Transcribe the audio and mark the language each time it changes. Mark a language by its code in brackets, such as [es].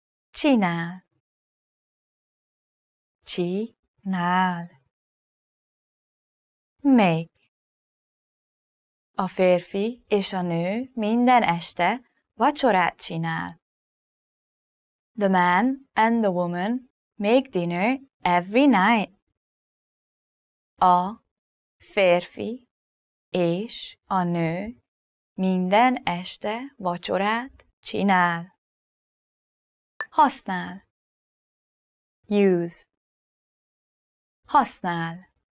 [hu] Csinál. Csinál. [en] Make. [hu] A férfi és a nő minden este vacsorát csinál. [en] The man and the woman make dinner every night. [hu] A férfi és a nő minden este vacsorát csinál. Használ. [en] Use. [hu] Használ.